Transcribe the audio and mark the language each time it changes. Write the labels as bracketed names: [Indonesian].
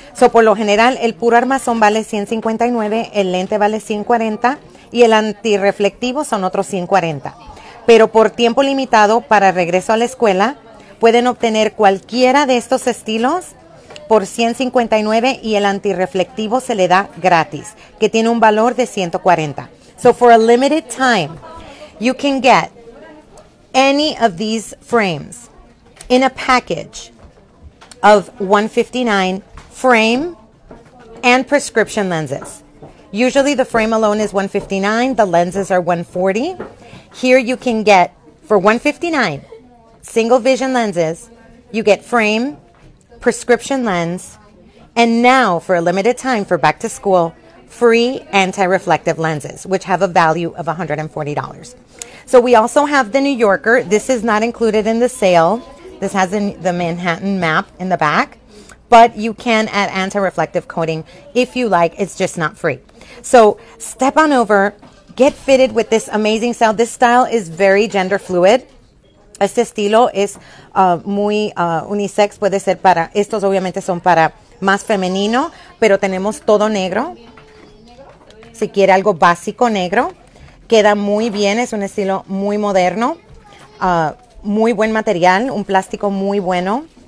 [Spanish] So, por lo general, el puro armazón vale $159, el lente vale $140 y el antirreflectivo son otros $140. Pero por tiempo limitado para regreso a la escuela, pueden obtener cualquiera de estos estilos por $159 y el antirreflectivo se le da gratis, que tiene un valor de $140. [English] So for a limited time, you can get any of these frames in a package of $159 frame and prescription lenses. Usually the frame alone is $159, the lenses are $140. Here you can get for $159 single vision lenses, you get frame, prescription lens, and now for a limited time for back to school, free anti-reflective lenses, which have a value of $140. So we also have the New Yorker. This is not included in the sale. This has the Manhattan map in the back, but you can add anti-reflective coating if you like. It's just not free. So step on over, get fitted with this amazing style. This style is very gender fluid. [Spanish] Este estilo es muy unisex, puede ser para, estos obviamente son para más femenino, pero tenemos todo negro. Si quiere algo básico negro, queda muy bien, es un estilo muy moderno, muy buen material, un plástico muy bueno.